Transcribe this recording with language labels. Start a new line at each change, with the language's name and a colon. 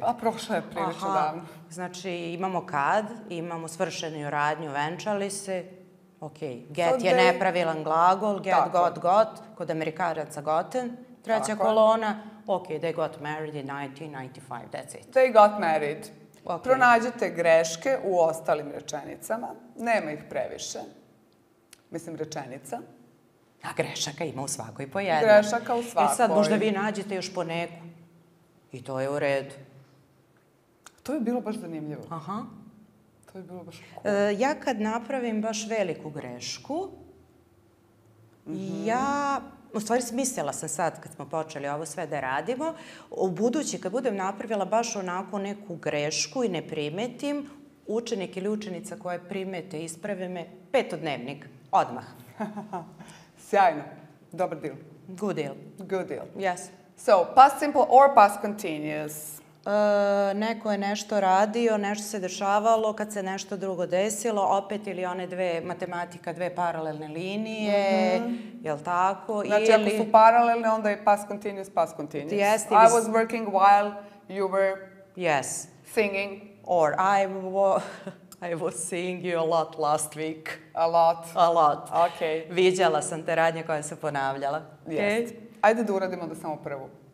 Serbian: Pa prošlo je prilično davno. Znači imamo kad, imamo svršenu radnju, venčali se. Ok, get so je nepravilan glagol, get, tako.
English: got, kod Amerikaraca gotten.
Serbian: Treća kolona,
English: ok, they got married in 1995, that's it. They got married. Okay.
Serbian: Pronađite greške u ostalim rečenicama, nema ih previše. Mislim, rečenica. A grešaka ima u svakoj po jedna. Grešaka u svakoj. I sad možda vi nađete još po neku. I to je u redu. To je bilo baš zanimljivo. Aha. To je bilo baš... Ja kad napravim baš veliku grešku, ja... U stvari, smislila sam sad, kad smo počeli ovo sve da radimo, u budući, kad budem napravila baš onako neku grešku i ne primetim, učenik ili učenica koja primete i isprave me, petodnevnik, odmah. Sjajno. Dobar
English: deal. Good deal. Good deal. Yes. So, past simple or past continuous?
Serbian: Neko je nešto radio, nešto se dešavalo, kad se nešto drugo desilo, opet ili one dve matematika, dve paralelne linije, jel tako? Znači, ili... ako su paralelne, onda je past continuous.
English: Yes, I was working while you were singing. Or I was seeing you a lot last week. A lot. Okay.
Serbian: Viđala sam te radnje koje se ponavljala. Yes. Okay. Ajde da uradimo da samo prvu.